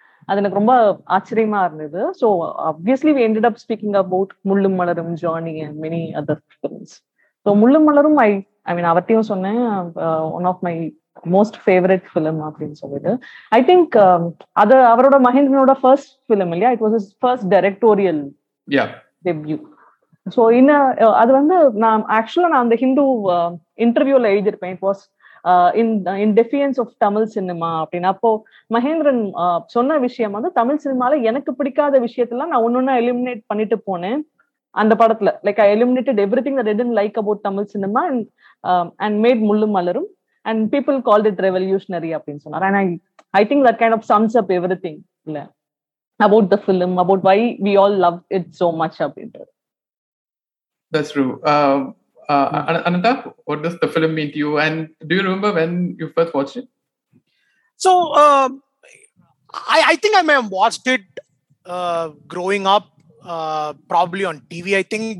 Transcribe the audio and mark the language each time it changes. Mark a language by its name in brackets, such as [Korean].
[Tamil] அது எனக்கு ரொம்ப ஆச்சரியமா இருந்தது. [English] So obviously we ended up speaking about Mullum Malarum, Johnny and many other films. So Mullum Malarum, I mean [Tamil] அவத்தியும் சொன்னேன், [English] one of my most favorite film [Tamil] அப்படின்னு சொல்லிட்டு. [English] I think [Tamil] அது அவரோட மகேந்திரனோட ஃபர்ஸ்ட் ஃபிலிம் இல்லையா, [English] It was his first directorial debut. [Tamil] So in அது வந்து நான் ஆக்சுவலா நான் அந்த ஹிந்து இன்டர்வியூல எழுதியிருப்பேன். [English] it was in defiance of Tamil cinema [Tamil] அப்படின்னு. அப்போ மகேந்திரன் சொன்ன விஷயம் வந்து, தமிழ் சினிமால எனக்கு பிடிக்காத விஷயத்தெல்லாம் நான் ஒன்னொன்னா எலிமினேட் பண்ணிட்டு போனேன் அந்த படத்துல. [English] like I eliminated everything read in like about Tamil cinema and made Mullum Malarum and people called it revolutionary [Tamil] அப்படின்னு சொன்னார். [English] and I think that kind of sums up everything [Tamil] இல்ல [English] about the film, about why we all loved it so much. Abhinder. That's true. Ananta, what does the film mean to you? And do you remember when you first watched it? So, I think I may have watched it growing up, probably on TV, I think.